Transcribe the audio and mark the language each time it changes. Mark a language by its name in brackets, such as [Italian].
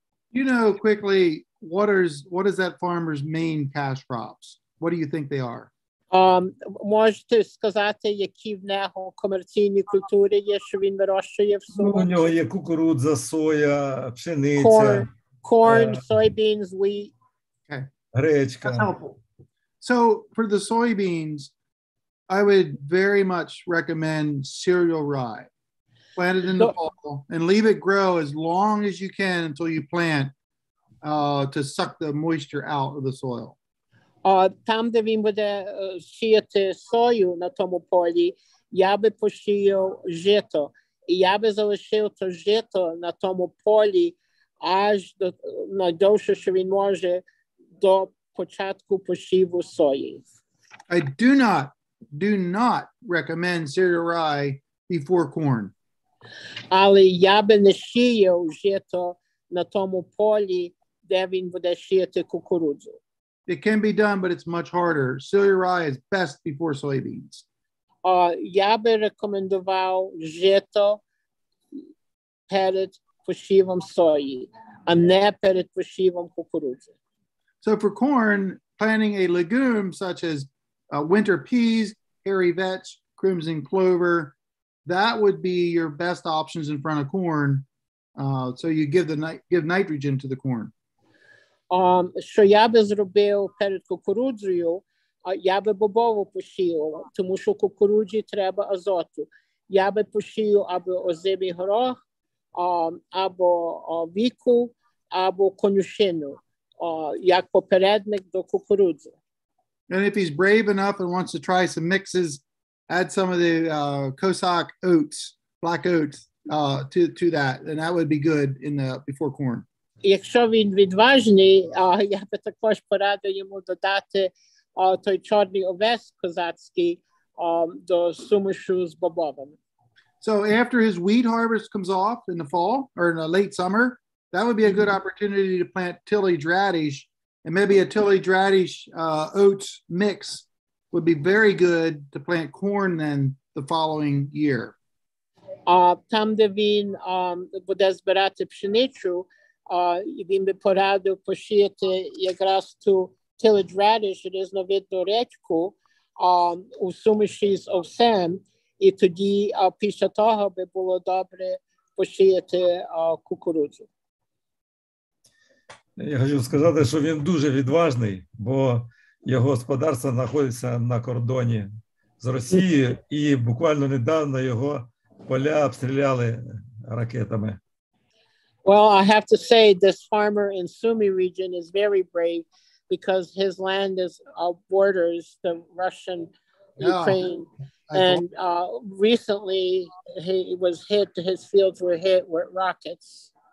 [English] You know, quickly, what is that farmer's main cash crops? What do you think they are? [Ukrainian] Можете сказати, які в нього комерційні культури є, що він вирощує в своєму? У нього є кукурудза, соя, пшениця. [English] Corn, soybeans, wheat. Okay. [Ukrainian] Гречка. [English] That's helpful. So for the soybeans, I would very much recommend cereal rye. Plant it in the fall and leave it grow as long as you can until you plant to suck the moisture out of the soil. [Ukrainian] Там, де він буде сіяти сою на тому полі, я би посіяв жито. І я би залишив то жито на тому полі аж до найдовше, що він може, до початку посіву сої. [English] I do not recommend cereal rye before corn. [Ukrainian] Але я би не сіяв жито на тому полі, де він буде сіяти кукурудзу. [English] It can be done, but it's much harder. Cereal rye is best before soybeans. [Ukrainian] Я би рекомендував жито перед посівом сої, а не перед посівом кукурудзи. [English] So for corn, planting a legume such as winter peas, hairy vetch, crimson clover, that would be your best options in front of corn. So you give nitrogen to the corn. [Ukrainian] Що я би зробив перед кукурудзою, я би бобову посіяв, тому що кукурудзі треба азоту. Я би посіяв або озимий горох, або віку, або конюшину, як попередник до кукурудзи. [English] And if he's brave enough and wants to try some mixes, add some of the Cossack oats, black oats, to that, and that would be good in the before corn. [Ukrainian] Якщо він відважний, я би також порадив йому додати той чорний овес козацький до сумішу з бобовим. [English] So after his wheat harvest comes off in the fall or in the late summer, that would be a good opportunity to plant tillage radish, and maybe a tillage radish oats mix would be very good to plant corn then the following year. [Ukrainian] Там, де він буде збирати пшеницю, він би порадив посіяти якраз ту tillage radish, різновидну редьку, у суміші з овсем, і тоді після того би було добре посіяти кукурудзу. Я хочу сказати, що він дуже відважний, бо його господарство знаходиться на кордоні з Росією, і буквально недавно його поля обстріляли ракетами. [English] Well, I have to say this farmer in Sumy region is very brave because his land is borders the Russian Ukraine. And recently he was hit, his fields were hit with rockets.